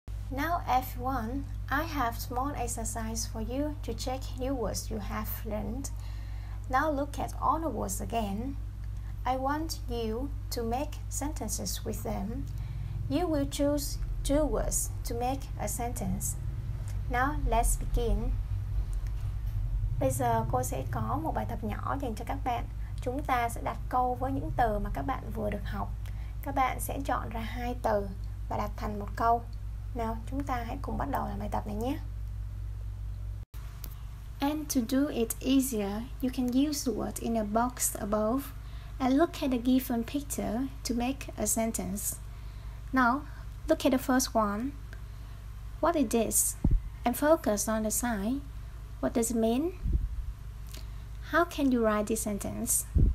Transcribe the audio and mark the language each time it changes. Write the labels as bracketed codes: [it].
[en] Now F1, I have small exercise for you to check new words you have learned. Now look at all the words again. I want you to make sentences with them. You will choose two words to make a sentence. Now let's begin. [vi] Bây giờ cô sẽ có một bài tập nhỏ dành cho các bạn. Chúng ta sẽ đặt câu với những từ mà các bạn vừa được học. Các bạn sẽ chọn ra hai từ và đặt thành một câu. Nào, chúng ta hãy cùng bắt đầu làm bài tập này nhé. [en] And to do it easier, you can use the word in a box above and look at the given picture to make a sentence. Now, look at the first one. What is this? And focus on the sign. What does it mean? How can you write this sentence?